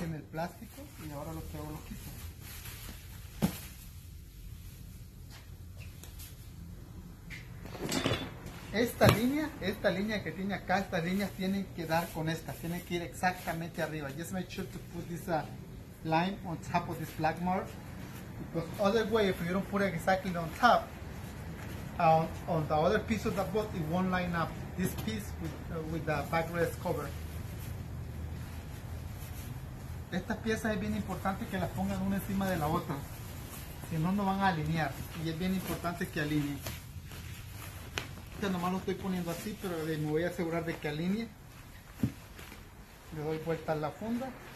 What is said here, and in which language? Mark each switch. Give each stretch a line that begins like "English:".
Spanish: Plástico y ahora lo pego, lo quito. Esta línea que tiene acá, estas líneas tienen que dar con esta, tienen que ir exactamente arriba.
English: Just make sure to put this line on top of this black mark, because other way, if you don't put it exactly on top, on the other piece of the boat, it won't line up this piece with the backrest cover.
Spanish: Estas piezas es bien importante que las pongan una encima de la otra, si no, no van a alinear, y es bien importante que alineen. Este nomás lo estoy poniendo así, pero me voy a asegurar de que alinee. Le doy vuelta a la funda.